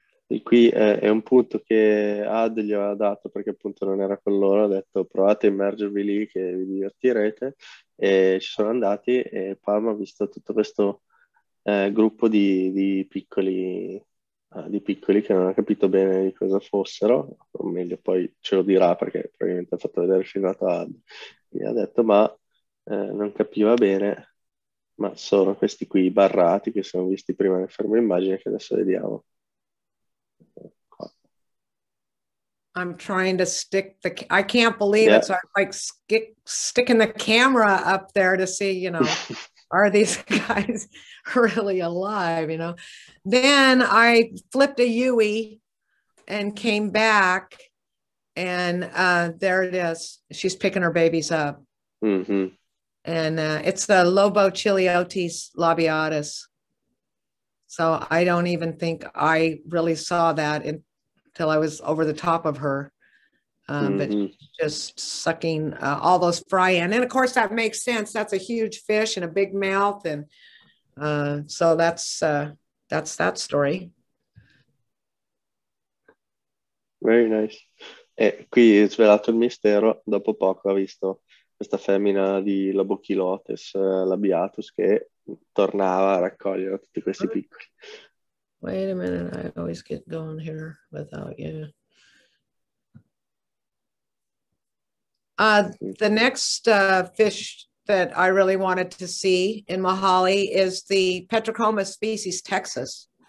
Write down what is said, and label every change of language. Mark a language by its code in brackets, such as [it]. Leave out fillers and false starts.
[it] E qui è un punto che Ad gli aveva dato perché appunto non era con loro, ha detto provate a immergervi lì che vi divertirete, e ci sono andati e Pam ha visto tutto questo gruppo di piccoli che non ha capito bene di cosa fossero, o meglio poi ce lo dirà perché probabilmente ha fatto vedere il filmato Ad, gli ha detto ma non capiva bene, ma sono questi qui barrati che sono visti prima nel fermo immagine che adesso vediamo. [en] I'm trying to stick the, I can't believe yeah. It's like sticking the camera up there to see, you know, are these guys really alive, you know? Then I flipped a Yui and came back and there it is. She's picking her babies up. Mm-hmm. And it's the Lobo Chiliotis labiatus. So I don't even think I really saw that until I was over the top of her, mm-hmm. but just sucking all those fry in. And of course that makes sense. That's a huge fish and a big mouth. And so that's that story. Very nice. [it] E qui è svelato il mistero. Dopo poco ha visto questa femmina di Lobochilotes labiatus che tornava a raccogliere tutti questi piccoli. [en] Wait a minute, I always get going here without you. The next fish that I really wanted to see in Mahali is the Petrochoma species Texas.